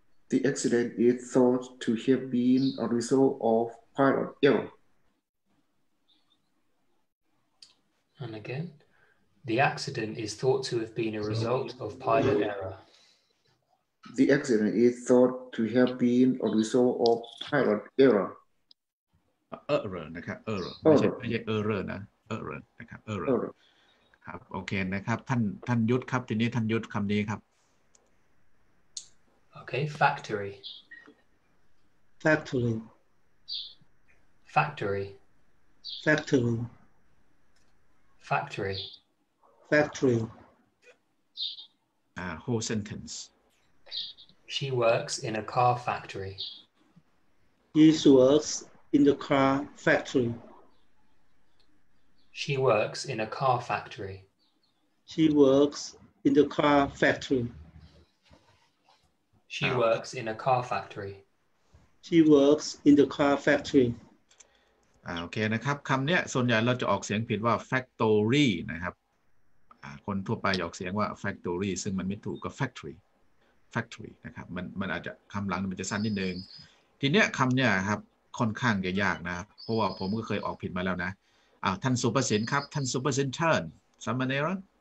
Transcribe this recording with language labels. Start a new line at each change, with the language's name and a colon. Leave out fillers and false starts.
English: The accident is thought to have been a result of pilot error. And again. The accident is thought to have been a result of pilot error. The accident is thought to have been a result of pilot error.
Thai: Error, นะครับ error. ไม่ใช่ error นะ error.
English: Error.
Thai: ครับโอเคนะครับท่านยุทธครับทีนี้ท่านยุทธคำนี้ครับ
English: โอเค factory factory factory factory factory factory whole sentence she works in a car factory she works in the car factory she works in a car factory. She works in the car factory. She works in a car factory. She works in the car factory.
Thai: โอเคนะครับคำเนี้ยส่วนใหญ่เราจะออกเสียงผิดว่า factory นะครับคนทั่วไปออกเสียงว่า factory ซึ่งมันไม่ถูกก็ factory factory นะครับมันอาจจะคำหลังมันจะสั้นนิดนึงทีเนี้ยคำเนี้ยครับค่อนข้างจะยากนะเพราะว่าผมก็เคยออกผิดมาแล้วนะท่านสุภสินครับท่านสุภสินเชิญซัมมานีรา